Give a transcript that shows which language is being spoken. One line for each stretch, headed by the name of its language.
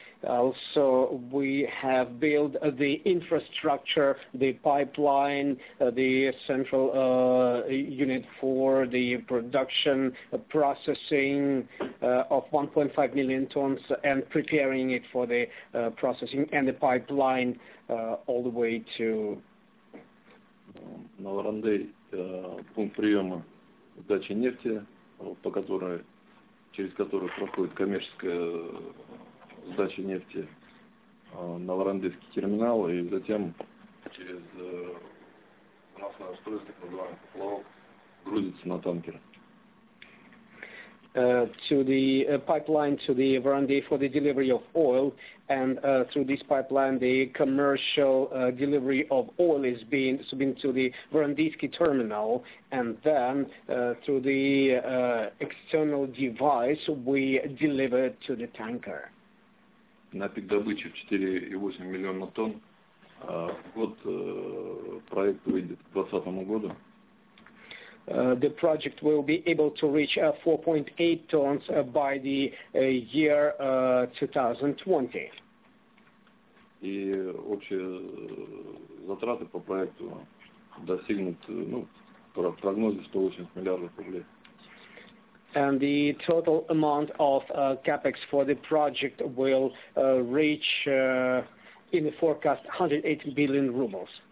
English: Also, we have built the infrastructure, the pipeline, the central unit for the production processing of 1.5 million tons and preparing it for the processing and the pipeline all the way to...
Russian: Новорандей, пункт приема сдачи нефти, по которой, через который проходит коммерческая... сдачи нефти на Варандейский терминал и затем через масляное устройство, называемое поплавок, грузится на танкер.
English: To the pipeline to the Varande for the delivery of oil, and through this pipeline the commercial delivery of oil is being submitted to the Varandeyski terminal, and then through the external device we deliver to the tanker.
Russian: На пик добычи в 4,8 миллиона тонн в год проект выйдет к 2020 году.
English: The project will be able to reach 4.8 tons by the year 2020.
Russian: И общие затраты по проекту достигнут, ну, в прогнозе 180 миллиардов рублей.
English: And the total amount of capex for the project will reach, in the forecast, 180 billion rubles.